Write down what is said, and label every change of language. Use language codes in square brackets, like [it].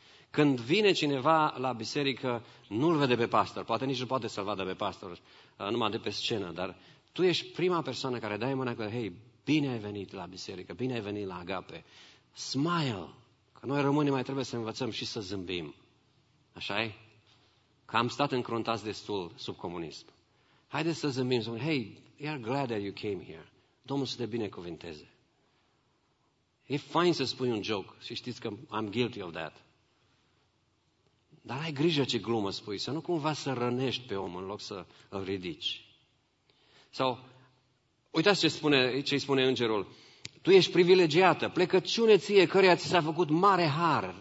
[ro] Când vine cineva la biserică, nu-l vede pe pastor, poate nici nu poate să-l vadă pe pastor, numai de pe scenă, dar tu ești prima persoană care dai mâna că, hei, bine ai venit la biserică, bine ai venit la Agape. Smile! Că noi românii mai trebuie să învățăm și să zâmbim. Așa-i? Că am stat încruntați destul sub comunism. Haideți să zâmbim, zâmbim. [en] Hey, we are glad that you came here. [ro] Domnul să te binecuvinteze. E fain să spui un joke și știți că [en] I'm guilty of that. [ro] Dar ai grijă ce glumă spui, să nu cumva să rănești pe om în loc să îl ridici. Sau, uitați ce spune îngerul. Tu ești privilegiată, plecăciune ție, căreia ți s-a făcut mare har.